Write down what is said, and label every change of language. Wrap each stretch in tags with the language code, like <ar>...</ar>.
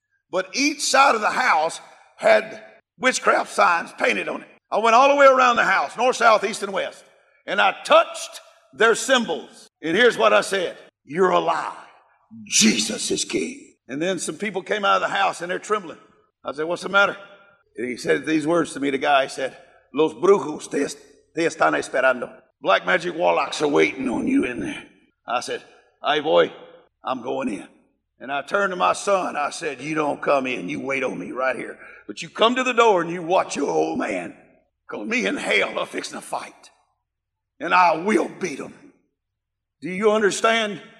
<en>But each side of the house had witchcraft signs painted on it. I went all the way around the house, north, south, east, and west, and I touched their symbols. And here's what I said: "You're a lie. Jesus is king." And then some people came out of the house and they're trembling. I said, "What's the matter?" And he said these words to me. The guy said,</en> <es>"Los brujos te están esperando.</es> <en>Black magic warlocks are waiting on you in there." I said, "Hey, boy, I'm going in." And I turned to my son. I said, "You don't come in. You wait on me right here. But you come to the door and you watch your old man. Because me and hell are fixing a fight. And I will beat him. Do you understand?</en>